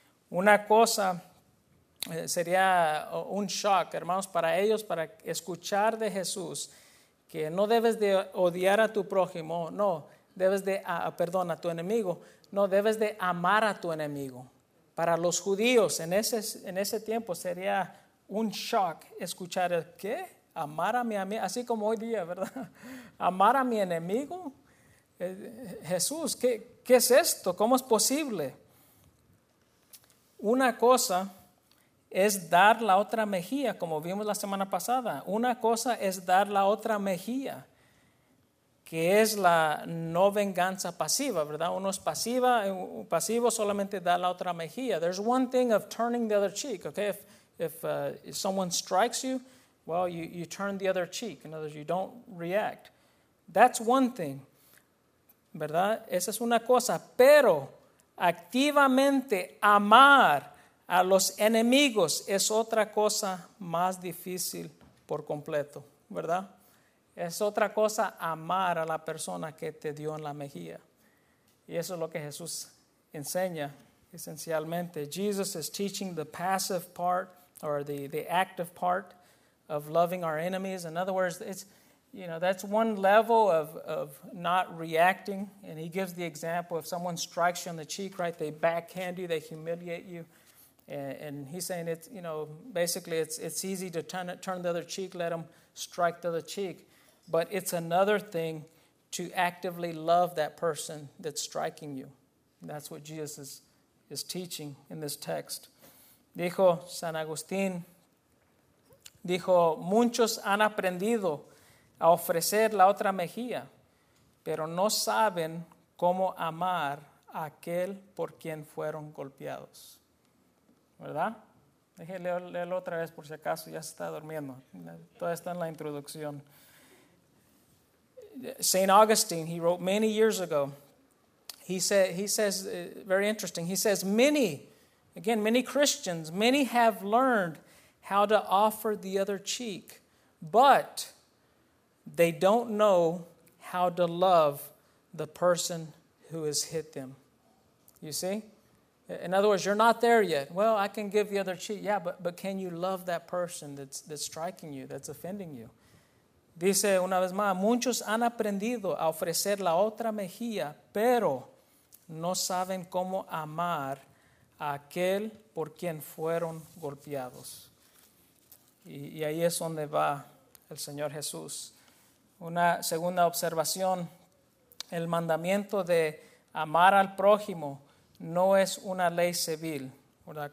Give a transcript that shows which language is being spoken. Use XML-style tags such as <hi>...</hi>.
<es>Una cosa sería un shock, hermanos, para ellos, para escuchar de Jesús que no debes de odiar a tu prójimo, no, debes de, perdón, a tu enemigo, no, debes de amar a tu enemigo. Para los judíos, en ese tiempo sería un shock escuchar el, ¿qué? Amar a mi amigo, así como hoy día, ¿verdad? Amar a mi enemigo. Jesús, ¿qué es esto? ¿Cómo es posible? Una cosa es dar la otra mejilla, como vimos la semana pasada. Una cosa es dar la otra mejilla, que es la no venganza pasiva, ¿verdad? Uno es pasiva, pasivo solamente da la otra mejilla.</es> <en>There's one thing of turning the other cheek, okay? If someone strikes you, well, you turn the other cheek. In other words, you don't react. That's one thing, ¿verdad?</en> <es>Esa es una cosa, pero activamente amar a los enemigos es otra cosa más difícil por completo, ¿verdad? Es otra cosa amar a la persona que te dio en la mejilla. Y eso es lo que Jesús enseña esencialmente.</es> <en>Jesus is teaching the passive part or the active part of loving our enemies. In other words, it's, you know, that's one level of not reacting. And he gives the example, if someone strikes you on the cheek, right, they backhand you, they humiliate you. And he's saying it's, you know, basically it's easy to turn the other cheek, let them strike the other cheek. But it's another thing to actively love that person that's striking you. That's what Jesus is teaching in this text.</en> <es>Dijo San Agustín, dijo, muchos han aprendido a ofrecer la otra mejilla, pero no saben cómo amar a aquel por quien fueron golpeados. ¿Verdad? Déjenle leerlo otra vez por si acaso, ya se está durmiendo. Todo está en la introducción.</es> <en>St. Augustine, he wrote many years ago, he says, very interesting, he says, many Christians have learned how to offer the other cheek, but they don't know how to love the person who has hit them. You see? In other words, you're not there yet. Well, I can give the other cheek. Yeah, but can you love that person that's striking you, that's offending you?</en> <es>Dice una vez más, muchos han aprendido a ofrecer la otra mejilla, pero no saben cómo amar a aquel por quien fueron golpeados. Y ahí es donde va el Señor Jesús. Una segunda observación, el mandamiento de amar al prójimo no es una ley civil, ¿verdad?</es>